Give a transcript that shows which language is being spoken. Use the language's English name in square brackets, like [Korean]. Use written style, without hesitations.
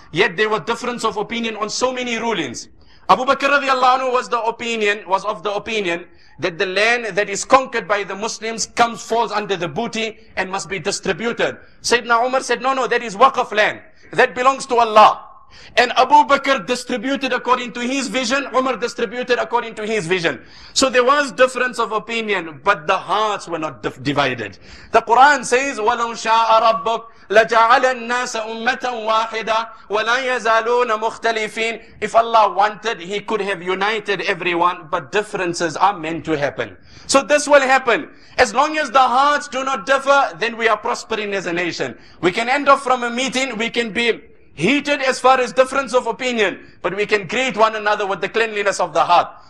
[English] Yet there were difference of opinion on so many rulings. Abu Bakr radiallahu anhu was of the opinion that the land that is conquered by the Muslims falls under the booty and must be distributed. Sayyidina Umar said, no, that is waqf land. That belongs to Allah. And Abu Bakr distributed according to his vision. Umar distributed according to his vision. So there was difference of opinion, but the hearts were not divided. The Quran says, [Arabic] وَلَوْ شَاءَ رَبُّكْ لَجَعَلَ النَّاسَ أُمَّةً وَاحِدًا وَلَا يَزَالُونَ مُخْتَلِفِينَ. [English] If Allah wanted, he could have united everyone, but differences are meant to happen. So this will happen. As long as the hearts do not differ, then we are prospering as a nation. We can end off from a meeting, we can be heated as far as difference of opinion, but we can greet one another with the cleanliness of the heart.